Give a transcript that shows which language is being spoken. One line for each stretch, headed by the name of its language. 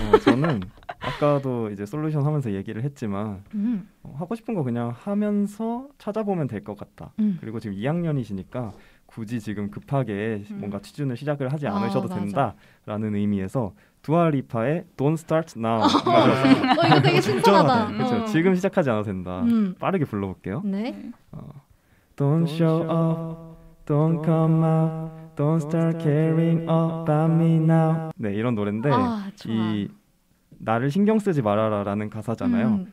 Korean: 저는 아까도 이제 솔루션 하면서 얘기를 했지만 하고 싶은 거 그냥 하면서 찾아보면 될 것 같다. 그리고 지금 2학년이시니까 굳이 지금 급하게 뭔가 취준을 시작을 하지 않으셔도 된다라는 의미에서 두아리파의 Don't Start Now. 이거 되게 신선하다. 그렇죠. 지금 시작하지 않아도 된다. 빠르게 불러볼게요. 네.
English: Don't show up, don't come out, don't start caring about me now.
Korean: 네, 이런 노래인데 이 나를 신경 쓰지 말아라라는 가사잖아요.